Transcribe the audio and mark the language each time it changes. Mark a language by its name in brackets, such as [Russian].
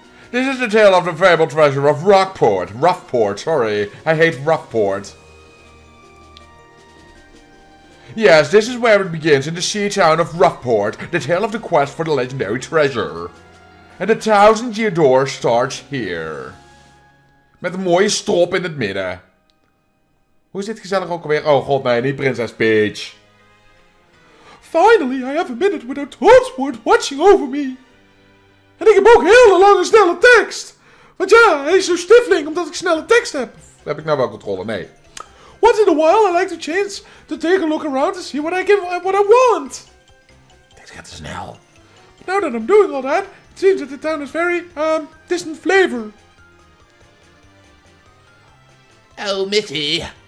[English] This is the tale of the fabled treasure of Rockport. I hate Rockport. Yes, this is where it begins, in the sea town of Rockport, the tale of the quest for the legendary treasure. And the thousand year door starts here. [Dutch] Met een mooie strop in het midden. Hoe is dit gezellig ook alweer? Oh god, nee, niet Prinses Peach. [English] Finally, I have a minute without Toadsport watching over me. [Dutch] En ik heb ook heel lange snelle tekst. Want ja, hij is zo'n stifling omdat ik snelle tekst heb. Heb ik nou wel controle? Nee. [English] Once in a while I like the chance to take a look around to see what I want. [Dutch] Tekst gaat te snel. [English] But now that I'm doing all that, it seems that the town is very, distant flavor. Oh, Missy.